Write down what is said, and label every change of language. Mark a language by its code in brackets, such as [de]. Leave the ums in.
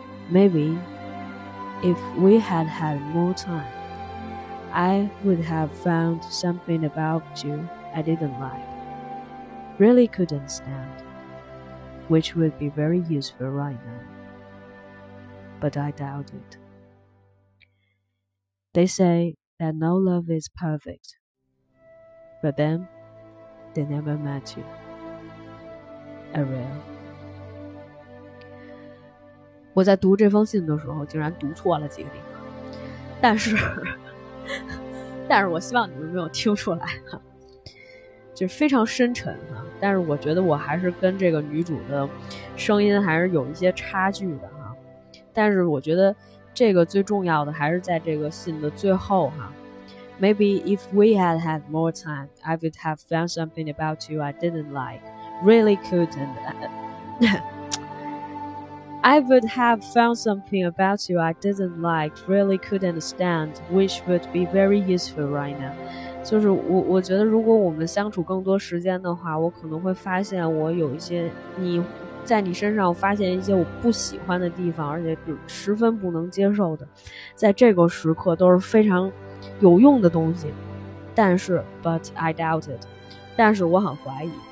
[en] Maybe if we had had more time, I would have found something about you I didn't like, really couldn't stand, which would be very useful right now. But I doubt it. They say that no love is perfect. But then, they never m e t you. Ariel. [zh] 我在读这封信的时候，竟然读错了几个地方。但是，但是我希望你们没有听出来，就是非常深沉啊。但是，我觉得我还是跟这个女主的声音还是有一些差距的。但是我觉得，这个最重要的还是在这个信的最后哈。 [en] Maybe if we had had more time, I would have found something about you I didn't like, really couldn't. I would have found something about you I didn't like, really couldn't stand, which would be very useful right now。 [zh] 就是我我觉得，如果我们相处更多时间的话，我可能会发现我有一些你。在你身上发现一些我不喜欢的地方，而且十分不能接受的，在这个时刻都是非常有用的东西。但是， [en] but I d o u b t it， [zh] 但是我很怀疑。